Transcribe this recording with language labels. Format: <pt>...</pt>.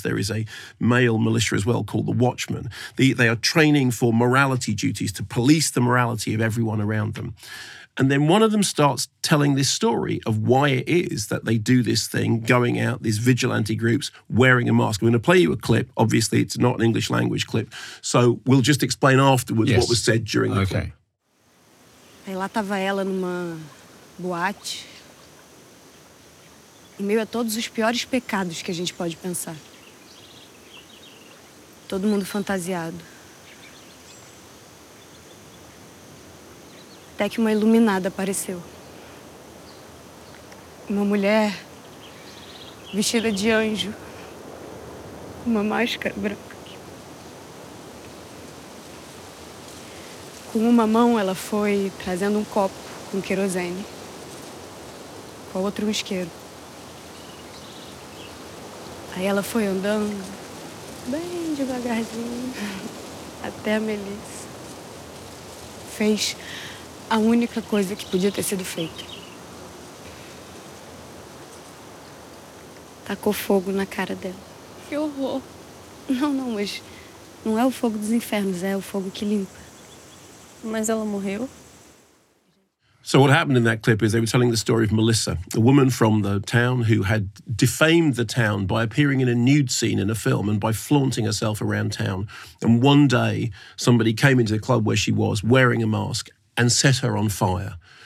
<en>There is a male militia as well called the Watchmen. They are training for morality duties to police the morality of everyone around them. And then one of them starts telling this story of why it is that they do this thing, going out, these vigilante groups, wearing a mask. I'm going to play you a clip. Obviously, it's not an English language clip. So we'll just explain afterwards what was said during the clip.</en> <pt>Aí lá tava ela numa boate, em meio a todos os piores pecados que a gente pode pensar. Todo mundo fantasiado. Até que uma iluminada apareceu. Uma mulher vestida de anjo, uma máscara branca. Com uma mão, ela foi trazendo um copo com querosene. Com a outra, um isqueiro. Aí ela foi andando, bem devagarzinho, até a Melissa. Fez a única coisa que podia ter sido feita. Tacou fogo na cara dela. Que horror. Não, não, mas não é o fogo dos infernos, é o fogo que limpa. Mas ela morreu.</pt> <en>So what happened in that clip is they were telling the story of Melissa, a woman from the town who had defamed the town by appearing in a nude scene in a film and by flaunting herself around town. And one day, somebody came into the club where she was wearing a mask and set her on fire.</en>